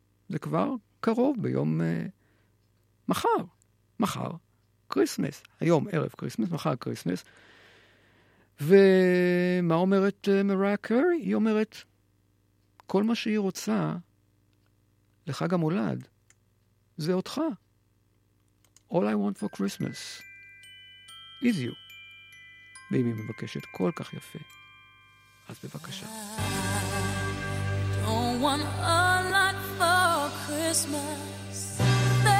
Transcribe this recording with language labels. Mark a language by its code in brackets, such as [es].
[he] זה כבר קרוב ביום מחר. מחר קריסמס. היום ערב קריסמס, מחר קריסמס. ומה אומרת מריה קרי? היא אומרת, כל מה שהיא רוצה לחג המולד זה אותך. [en] All I want for Christmas is you. [he] ואם היא מבקשת כל כך יפה, אז בבקשה. [en] I don't want a lot for Christmas.